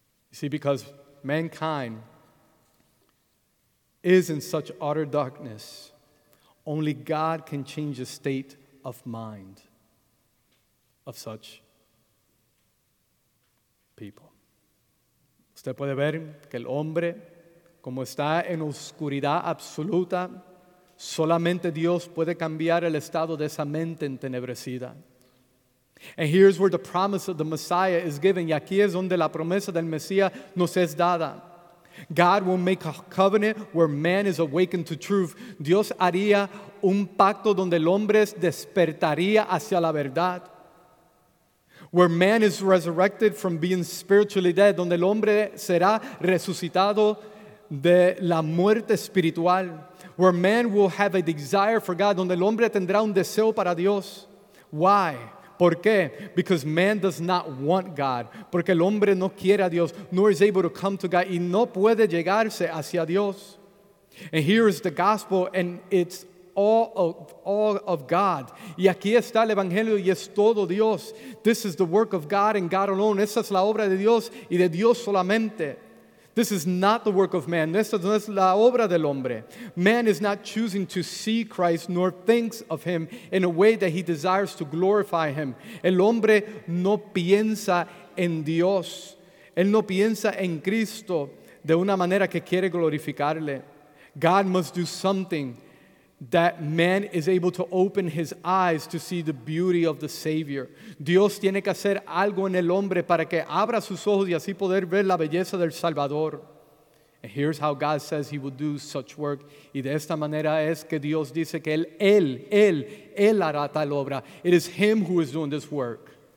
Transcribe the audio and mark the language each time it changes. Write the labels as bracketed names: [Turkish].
[English] See, because mankind is in such utter darkness, only God can change the state of mind of such people. [Spanish] Usted puede ver que el hombre, como está en oscuridad absoluta, solamente Dios puede cambiar el estado de esa mente entenebrecida. [English] And here's where the promise of the Messiah is given. [Spanish] Y aquí es donde la promesa del Mesías nos es dada. [English] God will make a covenant where man is awakened to truth. [Spanish] Dios haría un pacto donde el hombre despertaría hacia la verdad. [English] Where man is resurrected from being spiritually dead, [Spanish] donde el hombre será resucitado de la muerte espiritual. [English] Where man will have a desire for God, [Spanish] donde el hombre tendrá un deseo para Dios. [English] Why? [Spanish] ¿Por qué? [English] Because man does not want God. [Spanish] Porque el hombre no quiere a Dios, [English] nor is able to come to God, [Spanish] y no puede llegarse hacia Dios. [English] And here is the gospel and its all of God. [Spanish] Y aquí está el Evangelio y es todo Dios. [English] This is the work of God and God alone. [Spanish] Esa es la obra de Dios y de Dios solamente. [English] This is not the work of man. [Spanish] Esta no es la obra del hombre. [English] Man is not choosing to see Christ nor thinks of him in a way that he desires to glorify him. [Spanish] El hombre no piensa en Dios. Él no piensa en Cristo de una manera que quiere glorificarle. [English] God must do something that man is able to open his eyes to see the beauty of the Savior. [Spanish] Dios tiene que hacer algo en el hombre para que abra sus ojos y así poder ver la belleza del Salvador. [English] And here's how God says he will do such work. [Spanish] Y de esta manera es que Dios dice que Él hará tal obra. [English] It is him who is doing this work.